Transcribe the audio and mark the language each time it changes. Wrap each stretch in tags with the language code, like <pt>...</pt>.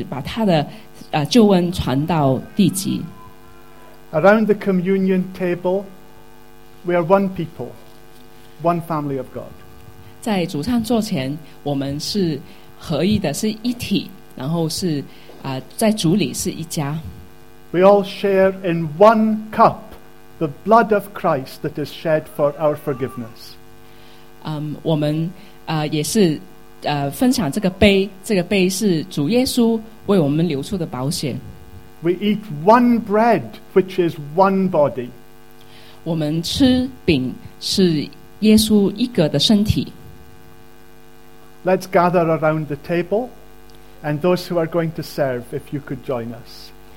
<zh>因此呢，耶稣呢可以去更接着在我们里面的作为，去把福音也是把他的救恩传到地极。</zh> <en>Around the communion table, we are one people, one family of God.</en> <zh>在主餐座前，我们是合一的，是一体，然后是在主里是一家。</zh> <en>We all share in one cup the blood of Christ that is shed for our forgiveness.</en> <zh>我们也是分享这个杯，这个杯是主耶稣为我们流出的宝血。</zh> <en>We eat one bread, which is one body.</en> <zh>我们吃饼是耶稣一个的身体。</zh> <en>Let's gather around the table, and those who are going to serve, if you could join us.</en>